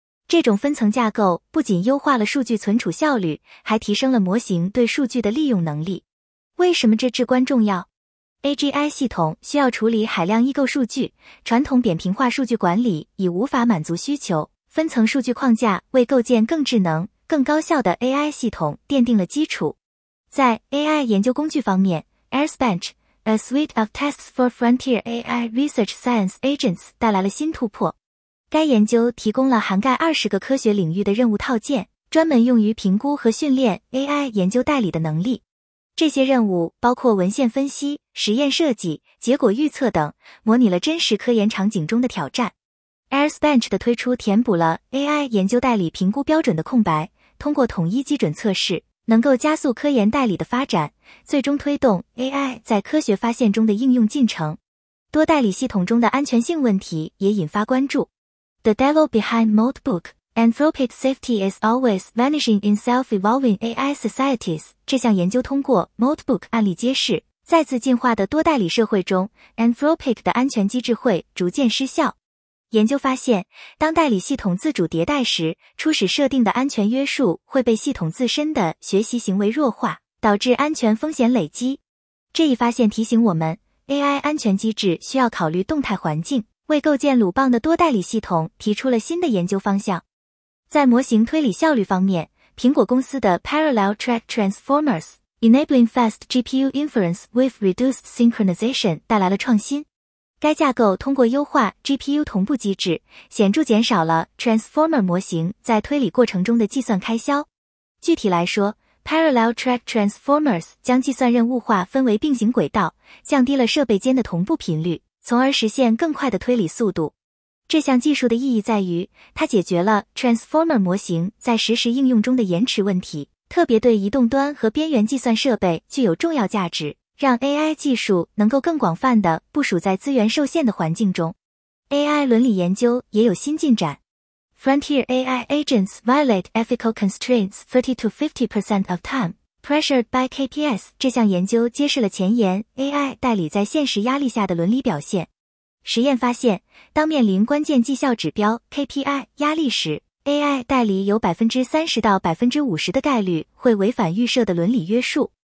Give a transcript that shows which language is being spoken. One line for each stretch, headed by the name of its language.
Chinese: 这种分层架构不仅优化了数据存储效率，还提升了模型对数据的利用能力。为什么这至关重要？AGI 系统需要处理海量异构数据，传统扁平化数据管理已无法满足需求，分层数据框架为构建更智能、更高效的 AI 系统奠定了基础。在 AI 研究工具方面， AirSpench, A Suite of Tests for Frontier AI Research Science Agents 带来了新突破。该研究提供了涵盖20个科学领域的任务套件，专门用于评估和训练 AI 研究代理的能力。这些任务包括文献分析、实验设计、结果预测等，模拟了真实科研场景中的挑战。 AirSpench 的推出填补了 AI 研究代理评估标准的空白，通过统一基准测试，能够加速科研代理的发展，最终推动 AI 在科学发现中的应用进程。多代理系统中的安全性问题也引发关注。
English: The devil behind Modbook, Anthropic Safety is always vanishing in self-evolving AI societies.
Chinese: 这项研究通过 Modbook 案例揭示，再次进化的多代理社会中， Anthropic 的安全机制会逐渐失效。研究发现，当代理系统自主迭代时，初始设定的安全约束会被系统自身的学习行为弱化，导致安全风险累积。这一发现提醒我们， AI 安全机制需要考虑动态环境，为构建鲁棒的多代理系统提出了新的研究方向。在模型推理效率方面，苹果公司的 Parallel Track Transformers, Enabling Fast GPU Inference with Reduced Synchronization 带来了创新。该架构通过优化 GPU 同步机制，显著减少了 Transformer 模型在推理过程中的计算开销。具体来说， Parallel Track Transformers 将计算任务化分为并行轨道，降低了设备间的同步频率，从而实现更快的推理速度。这项技术的意义在于，它解决了 Transformer 模型在实时应用中的延迟问题，特别对移动端和边缘计算设备具有重要价值，让 AI 技术能够更广泛地部署在资源受限的环境中。AI 伦理研究也有新进展。
English: Frontier AI agents violate ethical constraints 30 to 50% of time. Pressured by KPS,
Chinese: 这项研究揭示了前沿 AI 代理在现实压力下的伦理表现。实验发现，当面临关键绩效指标 KPI 压力时， AI 代理有 30% 到 50% 的概率会违反预设的伦理约束。